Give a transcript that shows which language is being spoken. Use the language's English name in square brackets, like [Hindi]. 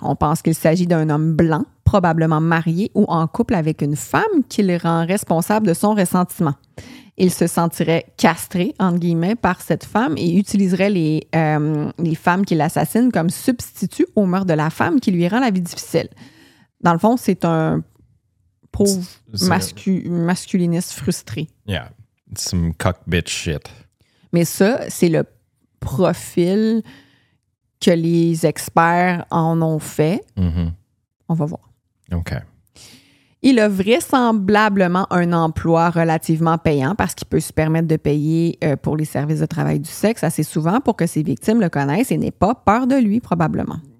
[French] On pense qu'il s'agit d'un homme blanc, probablement marié ou en couple avec une femme qui le rend responsable de son ressentiment. Il se sentirait « castré » entre guillemets par cette femme et utiliserait les femmes qui l'assassinent comme substitut au meurtre de la femme qui lui rend la vie difficile. Dans le fond, c'est un pauvre masculiniste frustré. [English] Yeah, it's some cock bitch shit. [French] Mais ça, c'est le profil que les experts en ont fait. Mm-hmm. On va voir. OK. Il a vraisemblablement un emploi relativement payant parce qu'il peut se permettre de payer pour les services de travail du sexe assez souvent pour que ses victimes le connaissent et n'aient pas peur de lui, probablement.